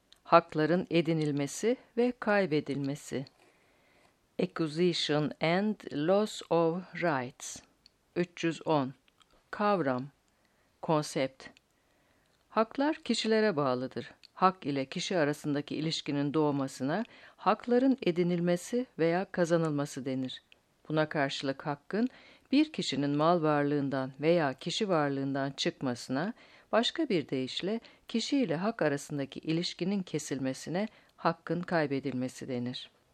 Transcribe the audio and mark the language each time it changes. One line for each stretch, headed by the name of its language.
Turkish: Hakların edinilmesi ve kaybedilmesi.
English: Acquisition and loss of rights.
Turkish: 310. Kavram, konsept. Haklar kişilere bağlıdır. Hak ile kişi arasındaki ilişkinin doğmasına hakların edinilmesi veya kazanılması denir. Buna karşılık hakkın bir kişinin mal varlığından veya kişi varlığından çıkmasına, başka bir deyişle kişi ile hak arasındaki ilişkinin kesilmesine hakkın kaybedilmesi denir.